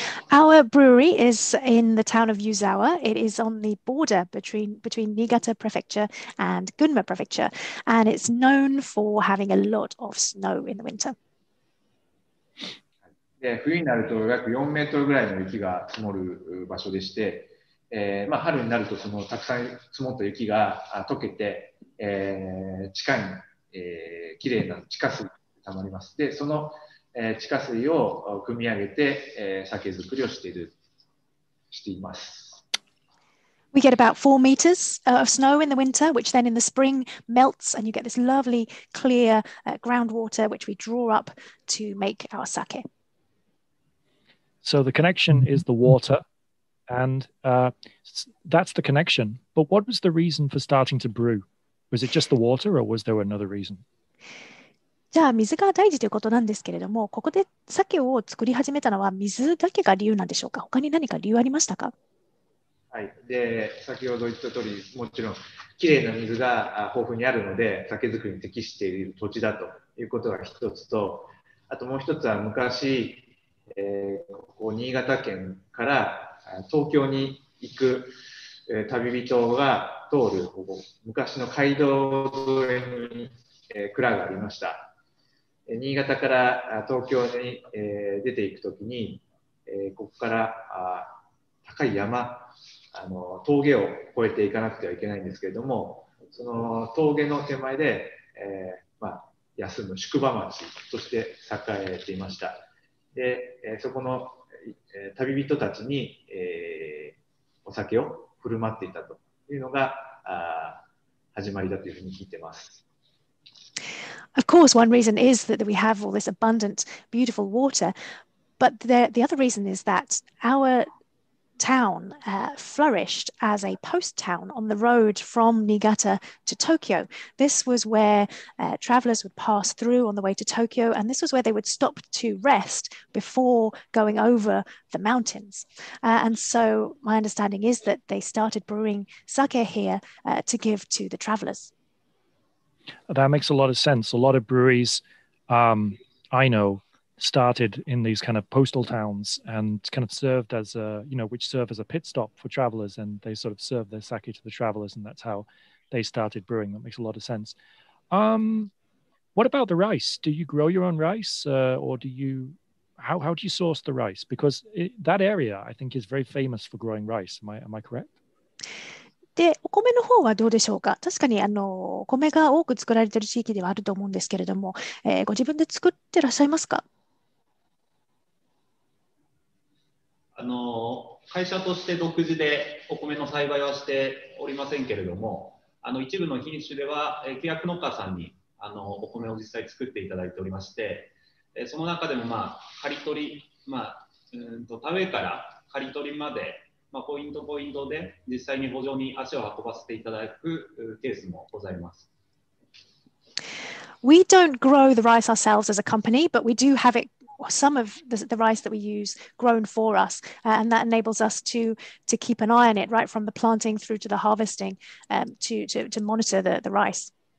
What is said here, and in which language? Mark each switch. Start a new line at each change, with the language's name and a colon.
English: Our brewery is in the town of Yuzawa. It is on the border between Niigata Prefecture and Gunma Prefecture, and it's known for having a lot of snow in the winter.
Japanese: で、冬になると約4メートルぐらいの雪が積もる場所でして、まあ、春になるとそのたくさん積もった雪が溶けて、地下に、きれいな地下水がたまります。で、その地下水を汲み上げて、酒造りをしています。
English: We get about 4 meters of snow in the winter, which then in the spring melts, and you get this lovely clear groundwater which we draw up to make our sake. So the connection is the water, and that's the connection. But what was the reason for starting to brew? Was it just the water, or was there another reason?
Japanese: じゃあ水が大事ということなんですけれども、ここで酒を作り始めたのは水だけが理由なんでしょうか？他に何か理由ありましたか？はい。で、先ほど言った通り、もちろんきれいな水が豊富にあるので、酒造りに適している土地だということが一つと、あともう一つは昔、ここ新潟県から東京に行く旅人が通る昔の街道沿いに蔵がありました。新潟から東京に出ていくときに、ここから高い山、峠を越えていかなくてはいけないんですけれども、その峠の手前で、まあ、休む宿場町として栄えていました。で、そこの旅人たちにお酒を振る舞っていたというのが始まりだというふうに聞いています。
English: Of course, one reason is that we have all this abundant, beautiful water. But the other reason is that our town flourished as a post town on the road from Niigata to Tokyo. This was where travelers would pass through on the way to Tokyo, and this was where they would stop to rest before going over the mountains. And so my understanding is that they started brewing sake here to give to the travelers. That makes a lot of sense. A lot of breweries I know started in these kind of postal towns and kind of served as a, you know, which serve as a pit stop for travelers, and they sort of serve their sake to the travelers, and that's how they started brewing. That makes a lot of sense. What about the rice? Do you grow your own rice or do you, how do you source the rice? Because that area, I think, is very famous for growing rice. Am I correct?
Japanese: でお米の方はどうでしょうか。確かにお米が多く作られている地域ではあると思うんですけれども、ご自分で作ってらっしゃいますか。会社として独自でお米の栽培はしておりませんけれども、一部の品種では契約農家さんにお米を実際作っていただいておりまして、その中でもまあ刈り取り、まあ田植えから刈り取りまで。まあ、ポイントポイントで実際に補助に足を運ばせていただくケースもございます。
English: We don't grow the rice ourselves as a company, but we do have it, some of the rice that we use grown for us, and that enables us to keep an eye on it right from the planting through to the harvesting, to monitor the rice.